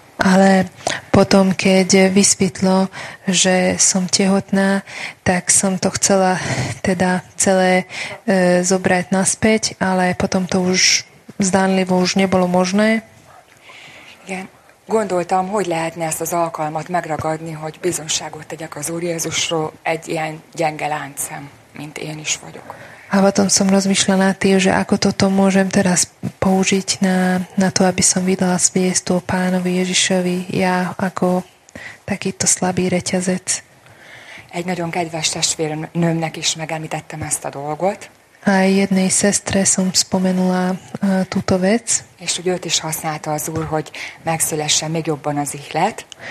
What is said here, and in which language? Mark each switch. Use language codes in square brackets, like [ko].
[sk] Ale potom, keď vysvetlo, že som tehotná, tak som to chcela teda celé zobrať naspäť, ale potom to už zdánlivo už nebolo možné. [hu] Igen, gondoltam, hogy lehetne ezt az alkalmat megragadni, hogy bizonságot tegyek az Úr Jézusról egy ilyen gyenge láncem, mint én is vagyok. [sk] A potom som rozmýšľala tým, že ako toto môžem teraz použiť na to, aby som vydala svedectvo Pánovi Ježišovi, ja ako takýto slabý reťazec. [hu] Egy nagyon kedves testvérnőmnek is megemlítettem ezt a dolgot. [sk] A jednej sestre som spomenula túto vec. [hu] És hogy őt is használta az Úr, hogy megszülessen még jobban az ihlet.